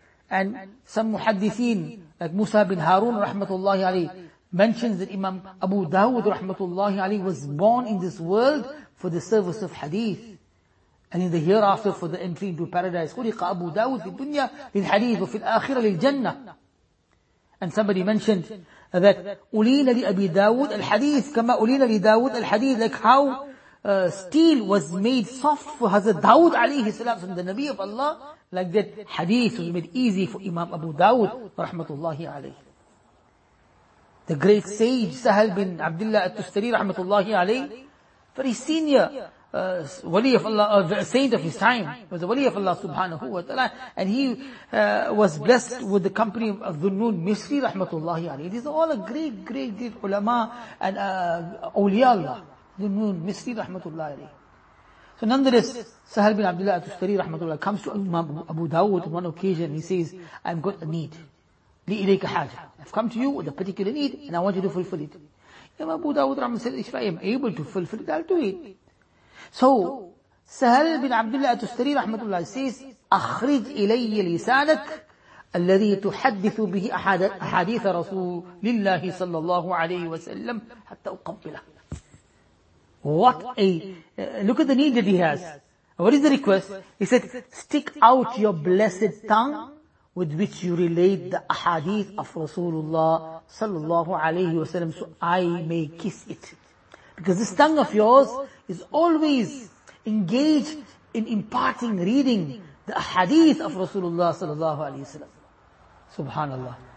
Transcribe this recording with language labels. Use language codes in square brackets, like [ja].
[en] And some muhaddithin, like Musa bin Harun rahmatullahi alayhi, mentions that Imam Abu Dawud rahmatullahi alayhi was born in this world for the service of hadith. And in the hereafter for the entry into paradise. [ar] خُلِقَ أَبُو دَاوُدْ فِي الدُّنْيَا لِلْحَدِيثِ وَفِي الْآخِرَ لِلْجَنَّةِ. [en] And somebody mentioned that [ar] أُلِينَ لِأَبِي دَاوُدْ الْحَدِيثِ كَمَا أُلِينَ لِدَاوُدْ الْحَدِيثِ. [en] Like how steel was made soft for Hazrat Dawud alayhi salam, from the Nabi of Allah. Like that hadith was made easy for Imam Abu Dawud rahmatullahi alayhi. The great sage Sahal bin Abdullah al-Tustari rahmatullahi alayhi, very senior wali of Allah, the saint of his time, was a wali of Allah subhanahu wa ta'ala, and he was blessed with the company of Dhunnun Misri rahmatullahi alayhi. These are all a great ulama and awliya Allah, Dhunnun Misri rahmatullahi alayhi. So nonetheless, Sahal bin Abdullah al-Tustari rahmatullahi comes to Imam Abu Dawud on one occasion. He says, I've got a need. [ar] Li ilayka haja. [en] I've come to you with a particular need and I want you to fulfill it. Imam Abu Dawud rahmatullahi said, if I am able to fulfill it, I'll do it. So [ar] Sahal bin Abdullah At-Tustari rahmatullah says, أخرج إلي لسانك الذي تحدث به أحاديث رسول الله صلى الله عليه وسلم حتى أقبله. [en] What a look at the need that he has. What is the request? He said, stick out your blessed tongue with which you relate the ahadith of Rasulullah [ar] صلى الله عليه وسلم [en] so I may kiss it. Because this tongue of yours is always engaged in imparting, reading the hadith of Rasulullah sallallahu alayhi wa sallam. Subhanallah.